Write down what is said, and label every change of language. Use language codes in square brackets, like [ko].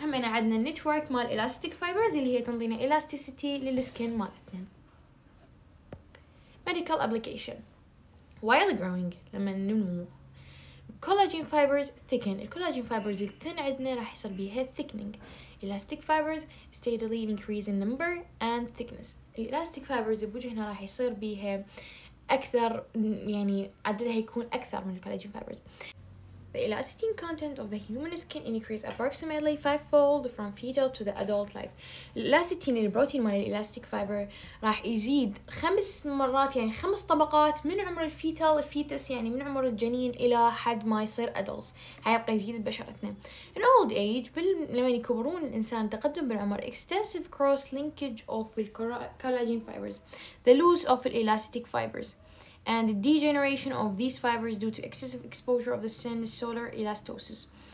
[ar] همنا عندنا network مال elastic fibers اللي هي تنطينا elasticity للسكين مالتنا. [en] Medical application. While growing [ar] لما ننمو [en] collagen fibers thicken. [ar] الكولاجين فايبرز الثين عندنا راح يصير بيها thickening. [en] Elastic fibers steadily increase in number and thickness. [ar] الإلاستيك فايبرز بوجهنا راح يصير بيها أكثر، يعني عددها يكون أكثر من الكولاجين فايبرز. [en] The elastin content of the human skin increase approximately fivefold from fetal to the adult life. [ar] الإلاستين البروتين مال الإلاستيك فايبر راح يزيد خمس مرات، يعني خمس طبقات من عمر الفيتال الفيتس، يعني من عمر الجنين إلى حد ما يصير أدولز، حيبقى يزيد بشرتنا. [en] In old age [ar] لما يكبرون الإنسان تقدم بالعمر [en] extensive cross linkage of the collagen fibers, the loss of the elastic fibers and the degeneration of these fibers due to excessive exposure of the sun solar elastosis.